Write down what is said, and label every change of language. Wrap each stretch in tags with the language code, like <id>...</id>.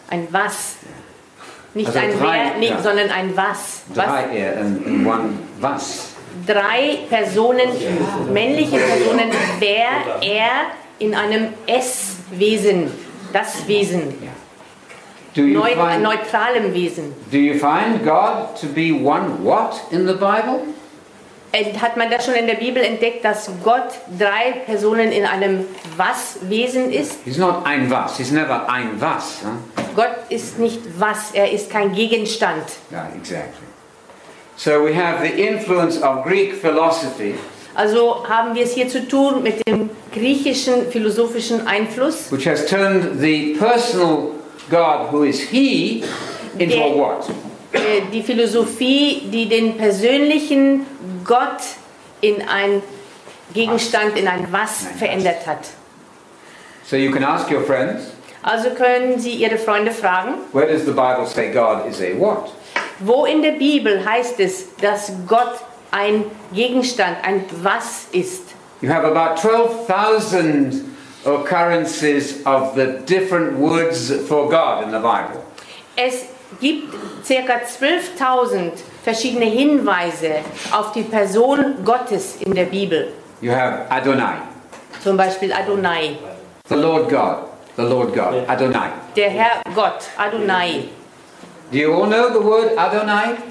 <de>Ein Was. Nicht also ein drei, Wer, nee, yeah. sondern ein Was. Drei Er und one Was. Drei Personen, yeah. männliche Personen, der Er in einem Es-Wesen, das Wesen. Yeah. Neutralem Wesen.</de> <en>Do you find God to be one what in the Bible?</en> <de>Hat man das schon in der Bibel entdeckt, dass Gott drei Personen in einem Was-Wesen ist?</de> <en>He's not</en> <de>ein Was.</de> <en>He's never ein Was. Huh?</en> <de>Gott ist nicht was. Er ist kein Gegenstand.</de> <en>Yeah, exactly. So we have the influence of Greek philosophy.</en> <de>Also haben wir es hier zu tun mit dem griechischen philosophischen Einfluss,</de> <en>which has turned the personal God, who is He, into a what?</en> <de>Die Philosophie, die den persönlichen Gott in ein Gegenstand, in ein Was verändert hat.</de> <en>So you can ask your friends.</en> <de>Also können Sie Ihre Freunde fragen.</de> <en>Where does the Bible say God is a what?</en> <de>Wo in der Bibel heißt es, dass Gott ein Gegenstand, ein Was ist?</de> <en>You have about 12,000 occurrences of the different words for God in the Bible.</en> <de>Es gibt ca. 12,000 verschiedene Hinweise auf die Person Gottes in der Bibel.</de> <en>You have Adonai.</en> <de>Zum Beispiel Adonai.</de> <en>The Lord God, Adonai.</en> <de>Der Herr Gott, Adonai.</de> <en>Do you all know the word Adonai?</en>